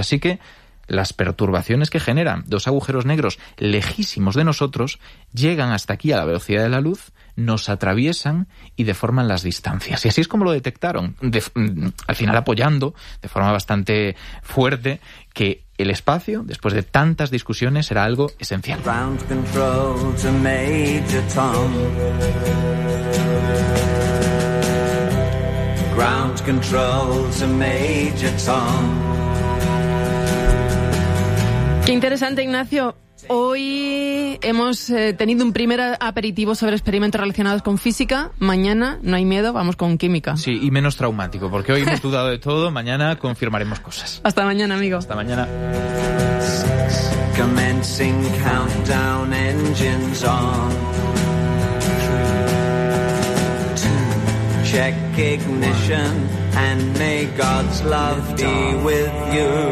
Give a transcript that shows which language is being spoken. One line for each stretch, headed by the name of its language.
Spanish: Así que las perturbaciones que generan dos agujeros negros lejísimos de nosotros llegan hasta aquí a la velocidad de la luz, nos atraviesan y deforman las distancias. Y así es como lo detectaron, al final apoyando de forma bastante fuerte que el espacio, después de tantas discusiones, era algo esencial.
English: Ground control to Major Tom. Ground control to Major Tom.
Spanish: Qué interesante, Ignacio. Hoy hemos tenido un primer aperitivo sobre experimentos relacionados con física. Mañana, no hay miedo, vamos con química. Sí, y menos traumático, porque hoy hemos dudado de todo. Mañana confirmaremos cosas. Hasta mañana, amigo. Hasta mañana.
English: Commencing countdown, engines on. Check ignition and may God's love be with you.